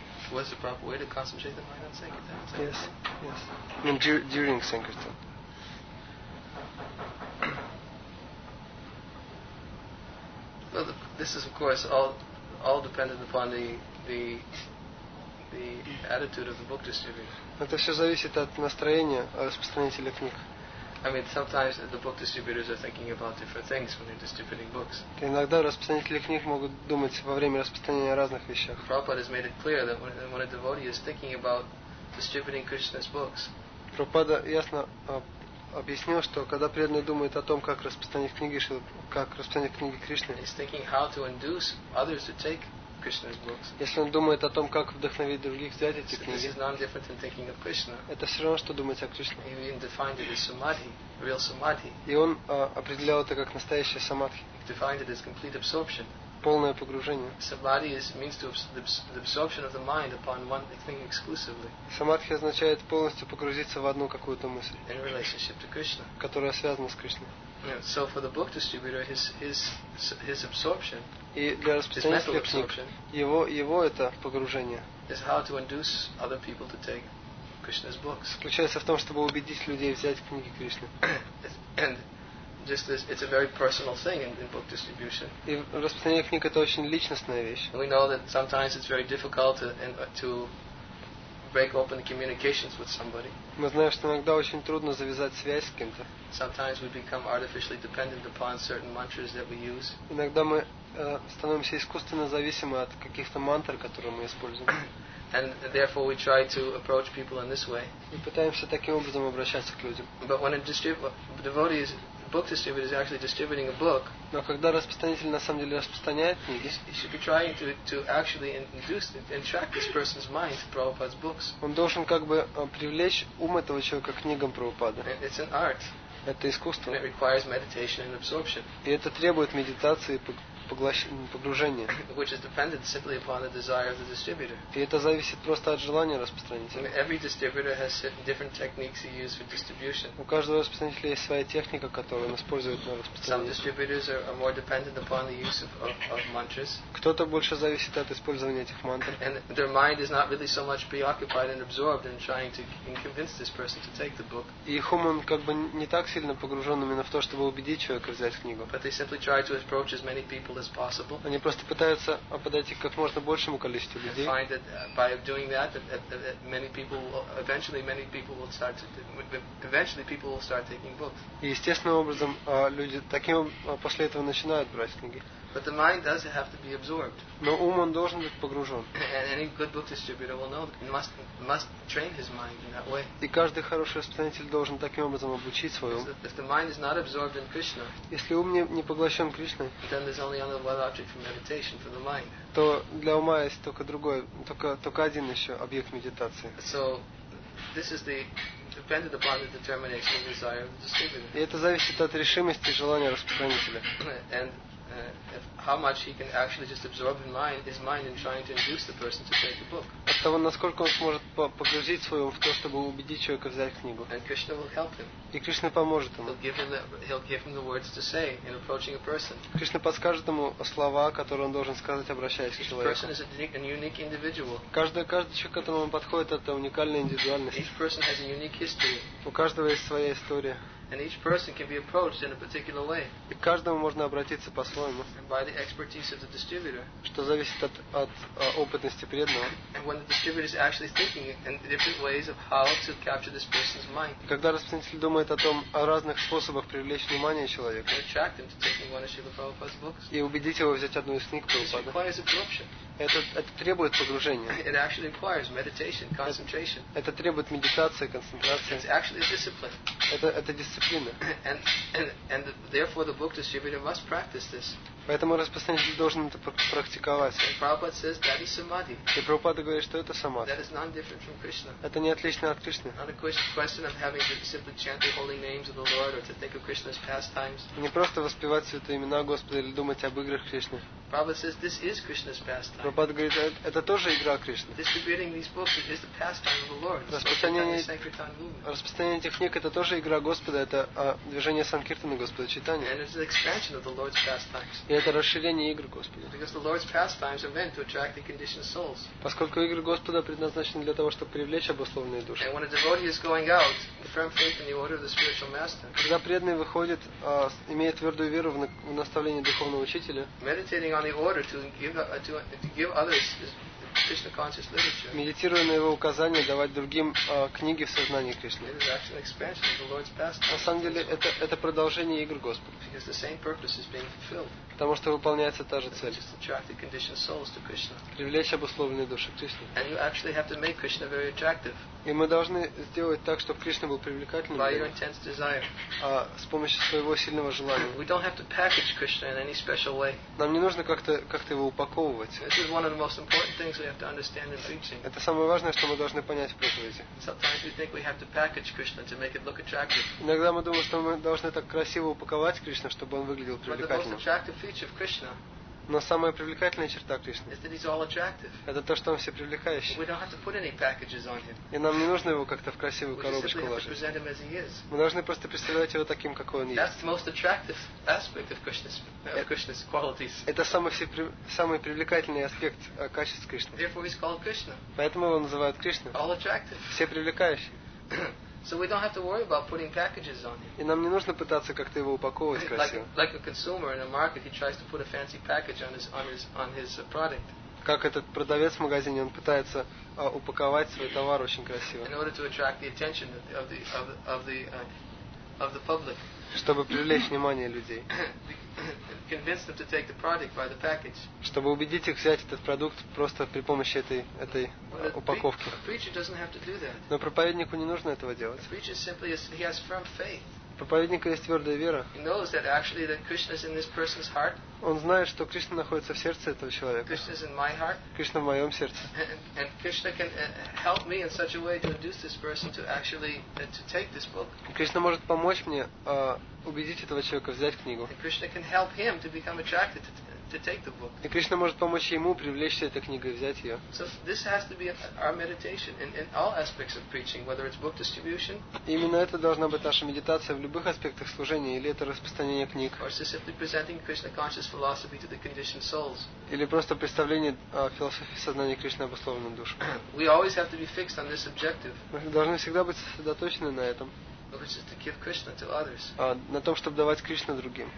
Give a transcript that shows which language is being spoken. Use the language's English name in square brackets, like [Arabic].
[English] What's the proper way to concentrate the mind on Sankirtan? Yes. I mean, during Sankirtan. Well, this is of course all dependent upon the attitude of the book distributor. [Russian] Это все зависит от настроения распространителя книг. [English] I mean, sometimes the book distributors are thinking about different things when they're distributing books. [Russian] Иногда распространители книг могут думать во время распространения о разных вещах. [English] Prabhupada has made it clear that when a devotee is thinking about distributing Krishna's books. [Russian] Prabhupada ясно объяснил, что когда преданный думает о том, как распространить книги, Кришны. [English] He's thinking how to induce others to take. [Russian] Если он думает о том, как вдохновить других взять эти книги, [English] this is not different than thinking of Krishna. [Russian] Это все равно, что думать о Кришне. [English] He even defined it as samadhi, real samadhi. [Russian] И он определял это как настоящее самадхи. [English] He defined it as complete absorption. [Russian] Полное погружение. [English] Samadhi means to the absorption of the mind upon one thing exclusively. [Russian] Самадхи означает полностью погрузиться в одну какую-то мысль. [English] In relationship to Krishna. [Russian] Которая связана с Кришной. [English] Yeah, so for the book distributor, his absorption, his mental absorption, [Russian] его это погружение, [English] is how to induce other people to take Krishna's books. [Russian] Заключается в том, чтобы убедить людей взять книги Кришны. [English] And just this, it's a very personal thing in book distribution. [Russian] И распространение книг это очень личностная вещь. [English] We know that sometimes it's very difficult to break open communications with somebody. [Russian] Мы знаем, что иногда очень трудно завязать связь с кем-то. [English] Sometimes we become artificially dependent upon certain mantras that we use. [Russian] Иногда мы становимся искусственно зависимы от каких-то мантр, которые мы используем. [English] And therefore we try to approach people in this way. [Russian] И пытаемся таким образом обращаться к людям. [English] But when a devotee is book distributor is actually distributing a book. [Russian] Но когда распространитель на самом деле распространяет книги, [English] he should be trying to actually induce and track this person's mind to Prabhupada's books. [Russian] Он должен как бы привлечь ум этого человека к книгам Прабхупады. [English] It's an art. [Russian] Это искусство. [English] And it requires meditation and absorption. [Russian] И это требует медитации и погружения. [English] Which is dependent simply upon the desire of the distributor. [Russian] И это зависит просто от желания распространителя. [English] And every distributor has different techniques he uses for distribution. [Russian] У каждого распространителя есть своя техника, которую он использует на распространение. [English] Some distributors are more dependent upon the use of mantras. [Russian] Кто-то больше зависит от использования этих мантр. [English] And their mind is not really so much preoccupied and absorbed in trying to convince this person to take the book. [Russian] И ум он как бы не так сильно погружен именно в то, чтобы убедить человека взять книгу. [English] But they simply try to approach as many people as possible. [Russian] Они просто пытаются подойти к как можно большему количеству людей. [English] And find that by doing that, eventually people will start taking books. [Russian] И естественным образом люди таким после этого начинают брать книги. [English] But the mind does have to be absorbed. [Russian] Но ум он должен быть погружен. [English] And any good book distributor will know must train his mind in that way. [Russian] И каждый хороший распространитель должен таким образом обучить свой ум. [English] If the mind is not absorbed in Krishna, [Russian] если ум не поглощен Кришной, [English] then there's only another object for meditation for the mind. [Russian] То для ума есть только другой, только один еще объект медитации. [English] So this is the dependent upon the determination and desire of the distributor. [Russian] И это зависит от решимости и желания распространителя. [English] And how much he can actually just absorb his mind in trying to induce the person to take the book. [Russian] От того, насколько он сможет погрузить свой ум в то, чтобы убедить человека взять книгу. [English] And Krishna will help him. [Russian] И Кришна поможет ему. [English] He'll give him the words to say in approaching a person. [Russian] Кришна подскажет ему слова, которые он должен сказать, обращаясь к человеку. [English] Each person is a unique individual. [Russian] Каждый человек, к которому он подходит, это уникальная индивидуальность. [English] Each person has a unique history. [Russian] У каждого есть своя история. [English] And each person can be approached in a particular way. [Russian] И каждому можно обратиться по-своему. [English] And by the expertise of the distributor. [Russian] Что зависит от опытности преданного. [English] And when the distributor is actually thinking in different ways of how to capture this person's mind. [Russian] Когда распространитель думает о разных способах привлечь внимание человека. [English] And attract him to taking one of Srila Prabhupada's books. [Russian] И убедить его взять одну из книг Прабхупады. [English] This requires absorption. [Russian] Это требует погружения. [English] It actually requires meditation, concentration. [Russian] Это требует медитации, концентрации. [English] It's actually a discipline. [Russian] Это дисциплина. [English] And therefore the book distributor must practice this. [Russian] Поэтому распространитель должен это практиковать. [English] And Prabhupada says that is samadhi. [Russian] И Прабхупада говорит, что это самадхи. [English] That is not different from Krishna. [Russian] Это не отлично от Кришны. [English] Not a question of having to simply chant the holy names of the Lord or to think of Krishna's pastimes. [Russian] Не просто воспевать святые имена Господа или думать об играх Кришны. [English] Prabhupada says this is Krishna's pastime. [Russian] Прабхупада говорит, это тоже игра Кришны. [English] Distributing these books is the pastime of the Lord. [Russian] Распространение этих книг это тоже игра Господа, это движение санкиртаны Господа Чайтанья. [English] And it's an expansion of the Lord's pastimes. [Russian] И это расширение игр Господа. [English] Because the Lord's pastimes are meant to attract the conditioned souls. [Russian] Поскольку игры Господа предназначены для того, чтобы привлечь обусловленные души. [English] And when a devotee is going out, the firm faith in the order of the spiritual master. [Russian] Когда преданный выходит, имея твердую веру в наставление духовного учителя. [English] Meditating on the order to give others Krishna conscious literature. [Russian] Медитируя на его указания, давать другим книги в сознании Кришны. [English] It is actually an expansion of the Lord's pastimes. [Russian] На самом деле это продолжение игр Господа. [English] Because the same purpose is being fulfilled. [Russian] Потому что выполняется та же цель. [English] To attract the conditioned souls to Krishna. [Russian] Привлечь обусловленные души к Кришне. [English] And you actually have to make Krishna very attractive. [Russian] И мы должны сделать так, чтобы Кришна был привлекательным. [English] By your intense desire. [Russian] С помощью своего сильного желания. [English] We don't have to package Krishna in any special way. [Russian] Нам не нужно как-то его упаковывать. [English] This is one of the most important things we have to understand in preaching. [Russian] Это самое важное, что мы должны понять в проповеди. [English] Sometimes we think we have to package Krishna to make it look attractive. [Russian] Иногда мы думаем, что мы должны так красиво упаковать Кришну, чтобы он выглядел привлекательным. [English] But the most attractive feature of Krishna. [Russian] Но самая привлекательная черта Кришны [English] is that he's all attractive. [Russian] Это то, что он всепривлекающий. [English] We don't have to put any packages on him. [Russian] И нам не нужно его как-то в красивую коробочку ложить. [English] We just simply have to present him as he is. [Russian] Мы должны просто представлять его таким, какой он есть. [English] That's the most attractive aspect of Krishna's qualities. [Russian] Это самый привлекательный аспект качеств Кришны. [English] Therefore he's called Krishna. [Russian] Поэтому его называют Кришна. [English] All attractive. [Russian] Всепривлекающий. [English] So we don't have to worry about putting packages on him. [Russian] И нам не нужно пытаться как-то его упаковывать красиво. [English] Like a consumer in a market, he tries to put a fancy package on his product. [Russian] Как этот продавец в магазине, он пытается упаковать свой товар очень красиво. [English] In order to attract the attention of the public. [Russian] Чтобы привлечь внимание людей. [English] Convince them to take the product by the package. [Russian] Чтобы убедить их взять этот продукт просто при помощи этой упаковки. [English] A preacher doesn't have to do that. [Russian] Но проповеднику не нужно этого делать. [English] A preacher simply has firm faith. [Russian] проповедника есть твердая вера. [English] He knows that actually that Krishna is in this person's heart. [Russian] Он знает, что Кришна находится в сердце этого человека. [English] Krishna is in my heart. [Russian] Кришна в моем сердце. [English] And Krishna can help me in such a way to induce this person to actually to take this book. [Russian] Кришна может помочь мне убедить этого человека взять книгу. [English] And Krishna can help him to become attracted to. To take the book. [Russian] И Кришна может помочь ему привлечься этой книгой и взять ее. [English] So this has to be our meditation in all aspects of preaching, whether it's book distribution. [Russian] Именно это должна быть наша медитация в любых аспектах служения, или это распространение книг. [English] Or simply presenting Krishna conscious philosophy to the conditioned souls. [Russian] Или просто представление философии сознания Кришны обусловленным душам. [English] We always have to be fixed on this objective. [Russian] Мы должны всегда быть сосредоточены на этом. [English] Which is to give Krishna to others. [Russian] На том, чтобы давать Кришну другим.